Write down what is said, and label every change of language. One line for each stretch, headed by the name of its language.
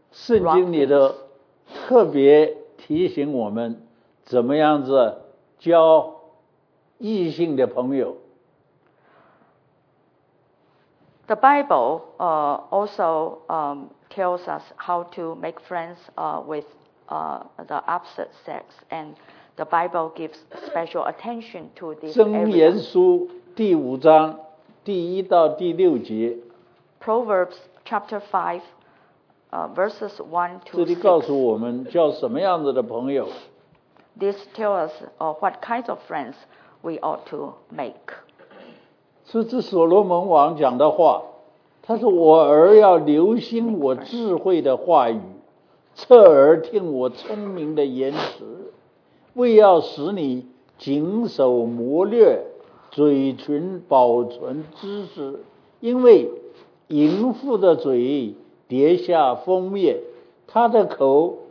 Chinese: 圣经里的特别提醒我们怎么样子交异性的朋友。
English: The Bible also tells us how to make friends with the opposite sex and. The Bible gives special attention to this area.
Chinese: 箴言书第五章第一到第六节。
English: Proverbs chapter 5, verses 1 to 6.
Chinese: 这里告诉我们叫什么样子的朋友。
English: This tells us what kinds of friends we ought to make.
Chinese: 这是所罗门王讲的话。他说我儿要留心我智慧的话语，侧耳听我聪明的言辞。为要使你谨守谋略，嘴唇保存知识，因为淫妇的嘴叠下锋面，她的口